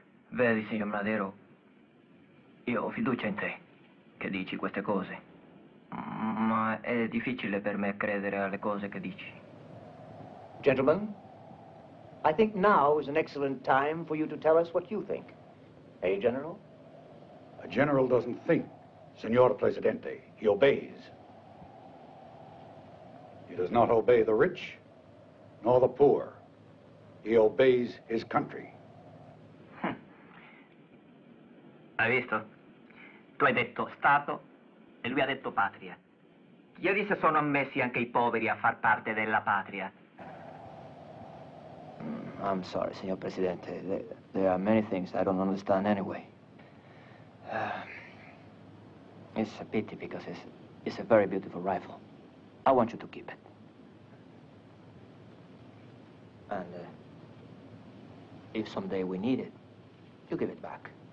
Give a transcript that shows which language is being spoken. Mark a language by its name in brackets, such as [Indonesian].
[Italian] Vedi, signor Madero, io ho fiducia in te che dici queste cose, ma è difficile per me credere alle cose che dici. [English] Gentlemen, I think now is an excellent time for you to tell us what you think. Eh, General? A general doesn't think, Signor Presidente. He obeys. He does not obey the rich, nor the poor. He obeys his country. [Italian] Hai visto? Tu hai detto Stato e lui ha detto Patria. Chiedi se sono ammessi anche I poveri a far parte della Patria. [English] I'm sorry, Signor Presidente. There are many things I don't understand anyway. It's a pity because it's a very beautiful rifle. I want you to keep it. And if someday we need it, you give it back.